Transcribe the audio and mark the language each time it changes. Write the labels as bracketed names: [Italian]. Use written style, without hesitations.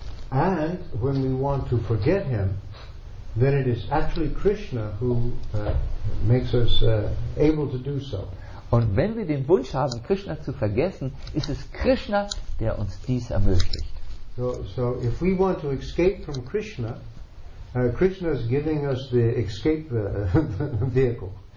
[English] And when we want to forget him, then it is actually Krishna who makes us able to do so. [German] Und wenn wir den Wunsch haben, Krishna zu vergessen, ist es Krishna, der uns dies ermöglicht. [English] So if we want to escape from Krishna, Krishna is giving us the escape vehicle.